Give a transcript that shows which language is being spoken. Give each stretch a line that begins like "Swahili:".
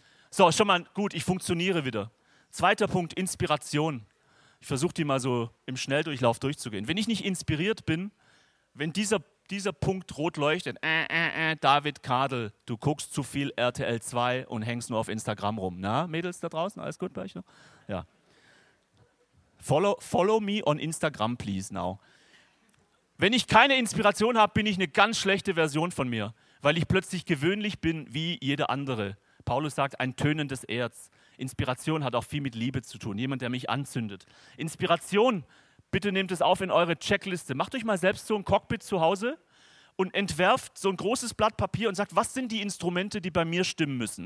German: So, schon mal gut, ich funktioniere wieder. Zweiter Punkt, Inspiration. Ich versuche, die mal so im Schnelldurchlauf durchzugehen. Wenn ich nicht inspiriert bin, wenn dieser Punkt rot leuchtet, David Kadel, du guckst zu viel RTL 2 und hängst nur auf Instagram rum. Na, Mädels da draußen, alles gut bei euch noch? Ja.
English: Follow me on Instagram, please, now.
German: Wenn ich keine Inspiration habe, bin ich eine ganz schlechte Version von mir, weil ich plötzlich gewöhnlich bin wie jeder andere. Paulus sagt, ein tönendes Erz. Inspiration hat auch viel mit Liebe zu tun, jemand, der mich anzündet. Inspiration, bitte nehmt es auf in eure Checkliste. Macht euch mal selbst so ein Cockpit zu Hause und entwerft so ein großes Blatt Papier und sagt, was sind die Instrumente, die bei mir stimmen müssen?